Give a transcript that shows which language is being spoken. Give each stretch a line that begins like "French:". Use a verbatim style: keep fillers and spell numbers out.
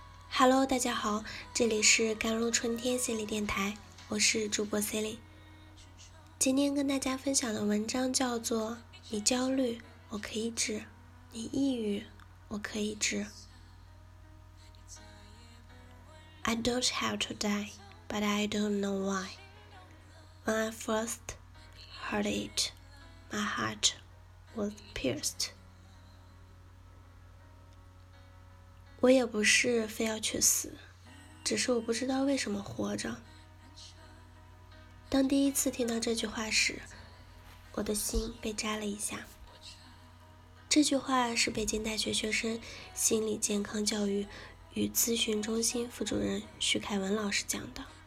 Chinese: Hello， 大家好，这里是甘露春天心理电台，我是主播 Celine。今天跟大家分享的文章叫做《你焦虑，我可以治；你抑郁，我可以治》。
English: I don't have to die, but I don't know why. When I first heard it, my heart was pierced.
Chinese: 我也不是非要去死，只是我不知道为什么活着。当第一次听到这句话时，我的心被扎了一下。这句话是北京大学学生心理健康教育与咨询中心副主任徐凯文老师讲的。